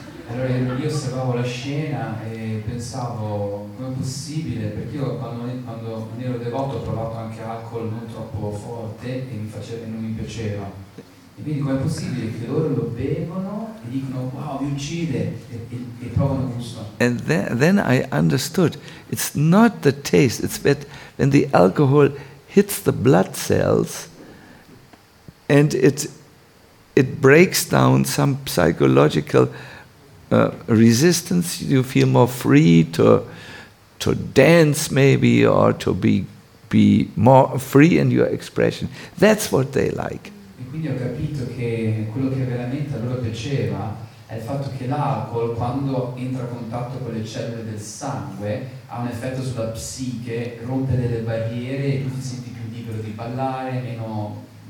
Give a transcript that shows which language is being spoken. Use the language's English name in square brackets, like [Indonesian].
[Italian] Allora io osservavo la scena e pensavo, com'è possibile? Perché io quando ero devoto ho provato anche alcol non troppo forte e non mi piaceva. E quindi com'è possibile che loro lo bevono e dicono, wow, mi uccide, e provano gusto. [English] And then I understood, it's not the taste, it's that when the alcohol hits the blood cells and it breaks down some psychological resistance, you feel more free to dance maybe, or to be more free in your expression. That's what they like. [Italian] E quindi ho capito che quello che veramente a loro piaceva è il fatto che l'alcol, quando entra a contatto con le cellule del sangue, ha un effetto sulla psiche, rompe delle barriere e tu ti senti più libero di ballare, meno.